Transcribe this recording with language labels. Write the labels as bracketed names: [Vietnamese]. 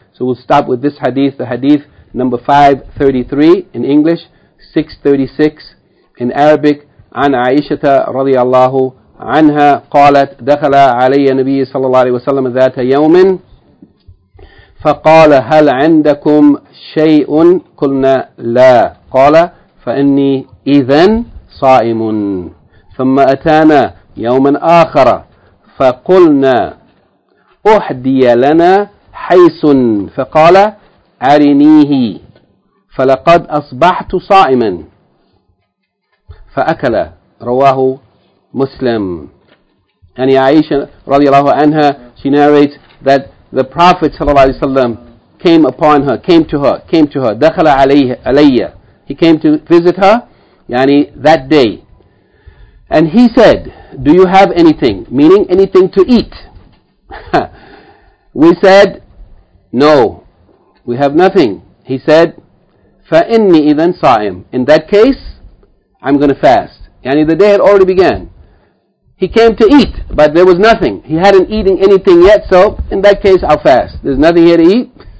[English] So we'll stop with this hadith, the hadith number 533 in English, 636 in Arabic. [Arabic] عن عائشة رضي الله عنها قالت دخل علي النبي صلى الله عليه وسلم ذات يوم فقال هل عندكم شيء قلنا لا قال فإني إذن صائم ثم أتانا يوما آخر فقلنا أحدي لنا حيث فقال أرنيه فلقد أصبحت صائما فأكل رواه مسلم. [English] And Aisha [Arabic] رضي الله عنها, [English] she narrates that the Prophet [Arabic] صلى الله عليه وسلم [English] came upon her, came to her, [Arabic] دخل عليها, [English] he came to visit her, [Arabic] يعني [English] that day. And he said, do you have anything? Meaning anything to eat. We said, no, we have nothing. He said, [Arabic] فإني إذن صائم. [English] In that case, I'm going to fast. [Arabic] Yani [English] the day had already began. He came to eat, but there was nothing. He hadn't eaten anything yet, so in that case, I'll fast. There's nothing here to eat.